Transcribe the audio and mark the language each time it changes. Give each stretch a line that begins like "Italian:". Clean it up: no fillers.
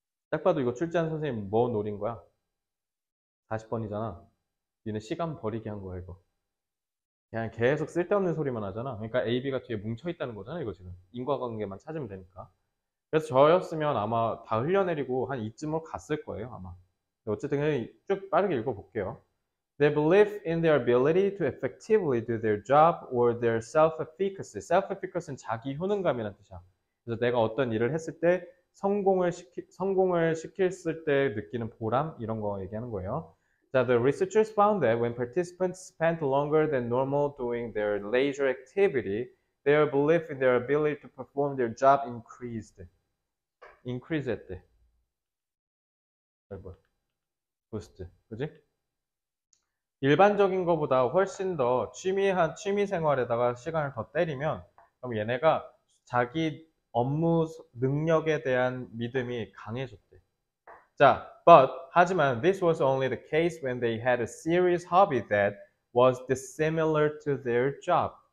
Korean: 딱 봐도 이거 출제한 선생님 뭐 노린 거야? 40번이잖아. 니네 시간 버리기 한 거야, 이거. 그냥 계속 쓸데없는 소리만 하잖아. 그러니까 AB가 뒤에 뭉쳐있다는 거잖아, 이거 지금. 인과관계만 찾으면 되니까. 그래서 저였으면 아마 다 흘려내리고 한 이쯤으로 갔을 거예요, 아마. 어쨌든 쭉 빠르게 읽어볼게요.
English: They believe in their ability to effectively do their job or their self-efficacy.
Korean: Self-efficacy는 자기 효능감이라는 뜻이야. 그래서 내가 어떤 일을 했을 때 성공을 시킬 때 느끼는 보람, 이런 거 얘기하는 거예요.
English: That the researchers found that when participants spent longer than normal doing their leisure activity, their belief in their ability to perform their job increased.
Korean: Increased 했대. 뭐야? Boost. 그지? 일반적인 것보다 훨씬 더 취미 생활에다가 시간을 더 때리면, 그럼 얘네가 자기 업무 능력에 대한 믿음이 강해졌대.
English: 자, but,
Korean: 하지만,
English: this was only the case when they had a serious hobby that was dissimilar to their job.